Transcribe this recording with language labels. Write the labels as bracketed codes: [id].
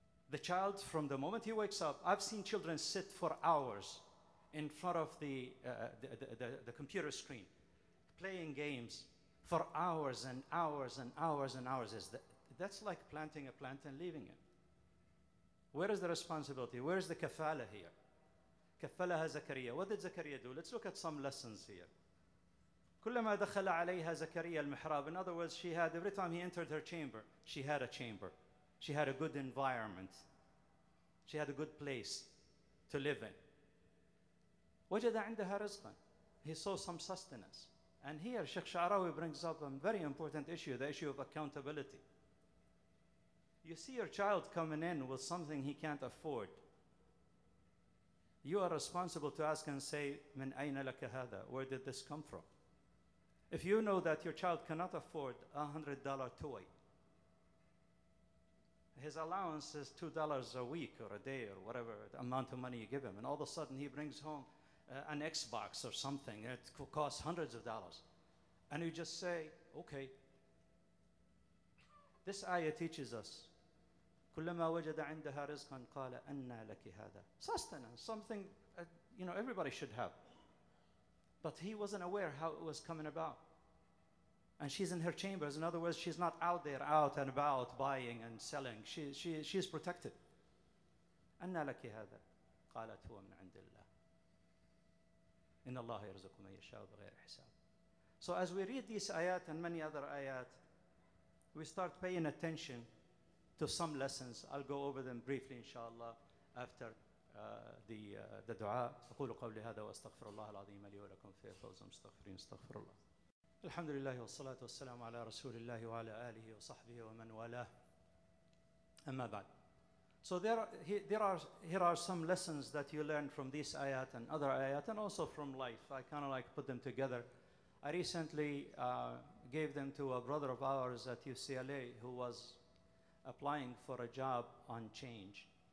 [en] The child, from the moment he wakes up, I've seen children sit for hours in front of the computer screen, playing games for hours and hours and hours and hours. That's like planting a plant and leaving it. Where is the responsibility? Where is the kafala here? [ar] كفلها زكريا. [en] What did Zakaria do? Let's look at some lessons here. [ar] كلما دخل عليها زكريا المحراب. [en] In other words, she had, every time he entered her chamber, she had a chamber. She had a good environment. She had a good place to live in. [ar] وجد عندها رزقا. [en] He saw some sustenance. And here, Sheikh Sha'rawi brings up a very important issue, the issue of accountability. You see your child coming in with something he can't afford. You are responsible to ask and say, [ar] من أين لك هذا? [en] Where did this come from? If you know that your child cannot afford a $100 toy, his allowance is $2 a week or a day or whatever the amount of money you give him, and all of a sudden he brings home an Xbox or something, it costs hundreds of dollars. And you just say, okay. This ayah teaches us, [ar] كلما وجد عندها رزقا قال أنى لك هذا. [en] Sustenance, something you know everybody should have. But he wasn't aware how it was coming about. And she's in her chambers. In other words, she's not out there, out and about, buying and selling. She's protected. [ar] أنى لك هذا. قالت هو من عند الله. إن الله يرزق من يشاء بغير حساب. [en] So as we read these ayat and many other ayat, we start paying attention to some lessons. I'll go over them briefly, inshallah, after the dua. [ar] أقول قولي هذا وأستغفر الله العظيم لي ولكم في فوز المستغفرين. استغفر الله. الحمد لله والصلاة والسلام على رسول الله وعلى آله وصحبه ومن والاه. أما بعد. [en] So here are some lessons that you learn from these ayat and other ayat and also from life. I kind of like put them together. I recently gave them to a brother of ours at UCLA who was applying for a job on change.